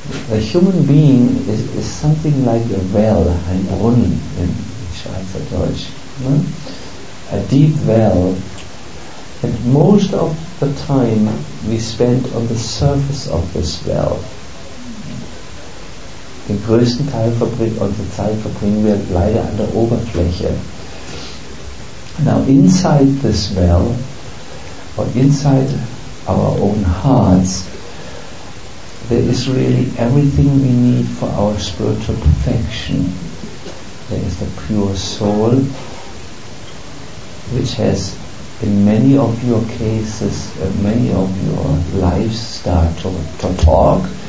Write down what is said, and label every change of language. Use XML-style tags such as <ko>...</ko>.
<en>A human being is something like a well,</en> <de>ein Brunnen in Schweizer Deutsch,</de> <en>a deep well. And most of the time we spend on the surface of this well.</en> <de>Den größten Teil unserer Zeit verbringen wir leider an der Oberfläche.</de> <en>Now inside this well, or inside our own hearts, there is really everything we need for our spiritual perfection. There is the pure soul, which has in many of your cases, in many of your lives, start to talk.</en>